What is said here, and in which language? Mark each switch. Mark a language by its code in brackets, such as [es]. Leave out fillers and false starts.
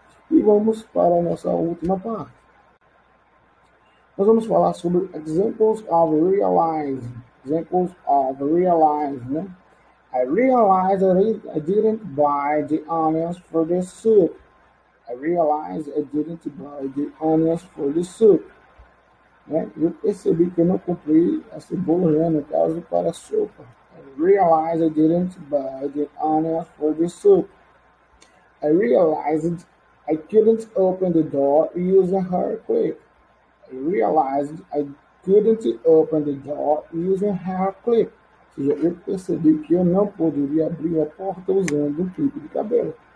[pt] E vamos para a nossa última parte. Nós vamos falar sobre [en] examples of realizing. Examples of realizing, [pt] né? [en] I realized I didn't buy the onions for the soup. I realized I didn't buy the onions for the soup. [pt] Né? Eu percebi que eu não comprei a cebola, né, no caso, para a sopa. [en] I realized I didn't buy the onions for the soup. I realized I couldn't open the door using her clip. I realized I couldn't open the door using her clip. [pt] Ou seja, eu percebi que eu não poderia abrir a porta usando um clipe de cabelo.